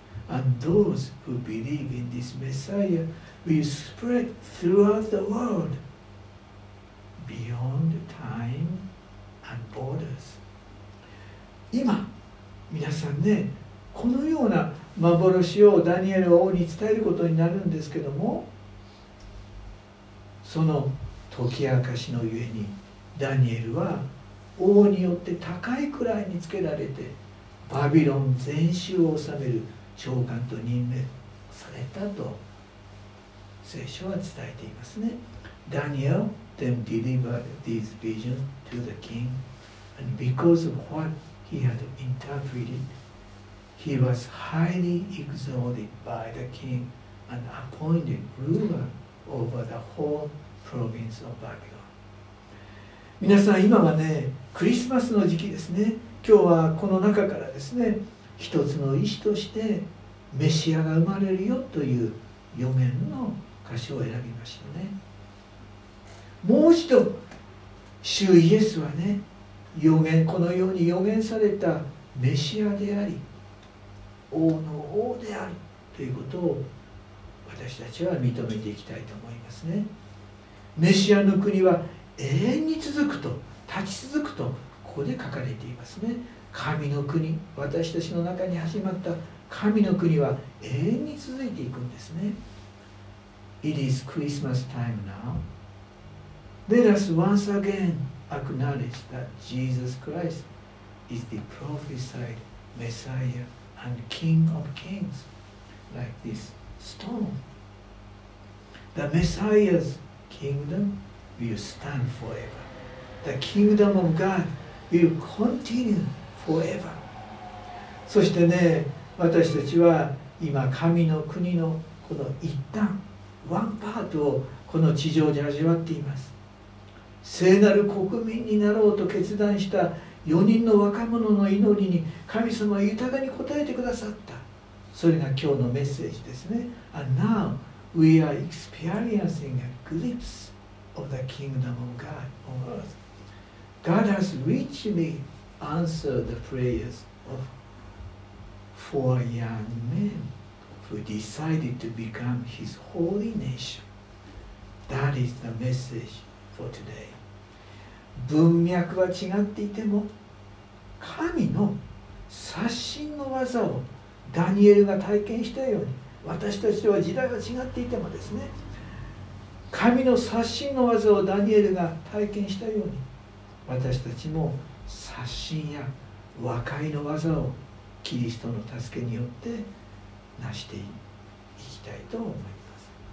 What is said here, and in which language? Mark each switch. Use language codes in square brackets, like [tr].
[en] And those who believe in this Messiah will spread throughout the world beyond time and borders. [ja] 今、皆さんね、このような幻をダニエル王に伝えることになるんですけども、その解き明かしのゆえにダニエルは王によって高い位につけられて、バビロン全州を治める長官と任命されたと聖書は伝えていますね。 [en] Daniel then delivered these visions to the king, and because of what he had interpreted,He was highly exalted by the king and appointed ruler over the whole province of Babylon. [ja] 皆さん、今はね、クリスマスの時期ですね。今日はこの中からですね、一つの石としてメシアが生まれるよという予言の箇所を選びましたね。もう一度、主イエスはね、予言、このように予言されたメシアであり、王の王であるということを私たちは認めていきたいと思いますね。メシアの国は永遠に続くと、立ち続くとここで書かれていますね。神の国、私たちの中に始まった神の国は永遠に続いていくんですね。 [en] It is Christmas time now. Let us once again acknowledge that Jesus Christ is the prophesied Messiah and King of Kings, like this stone. The Messiah's kingdom will stand forever. The kingdom of God will continue forever. [ja] そしてね、私たちは今神の国のこの一端、ワンパートをこの地上で味わっています。聖なる国民になろうと決断した4人の若者の祈りに神様は豊かに応えてくださった。それが今日のメッセージですね。 [en] And now we are experiencing a glimpse of the kingdom of God on earth. God has richly answered the prayers of four young men who decided to become his holy nation. That is the message for today. [ja] 文脈は違っていても神の刷新の技をダニエルが体験したように、私たちとは時代は違っていてもですね、神の刷新の技をダニエルが体験したように、私たちも刷新や和解の技をキリストの助けによって成していきたいと思います。